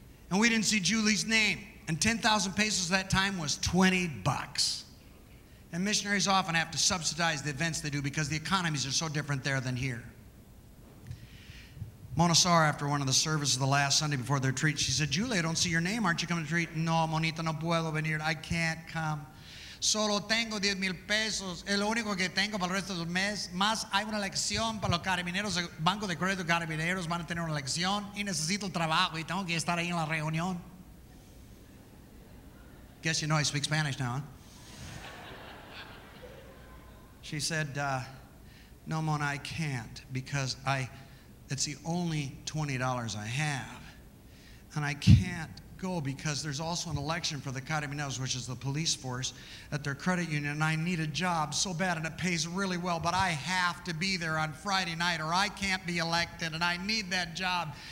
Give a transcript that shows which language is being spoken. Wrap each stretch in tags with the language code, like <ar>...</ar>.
<en>And we didn't see Julie's name. And 10,000 pesos at that time was 20 bucks. And missionaries often have to subsidize the events they do because the economies are so different there than here. Mona Sara, after one of the services the last Sunday before their retreat, she said, Julie, I don't see your name. Aren't you coming to retreat?</en> <es>No, Monita, no puedo venir.</es> <en>I can't come.</en> <es>Solo tengo 10,000 pesos. Es lo único que tengo para el resto del mes. Más hay una lección para los carabineros. El Banco de Crédito Carabineros van a tener una lección. Y necesito el trabajo. Y tengo que estar ahí en la reunión.</es> <en>Guess you know I speak Spanish now, huh? She said, no, Mona, I can't because it's the only $20 I have. And I can't go because there's also an election for the Carabineros, which is the police force, at their credit union, and I need a job so bad, and it pays really well, but I have to be there on Friday night or I can't be elected, and I need that job.</en>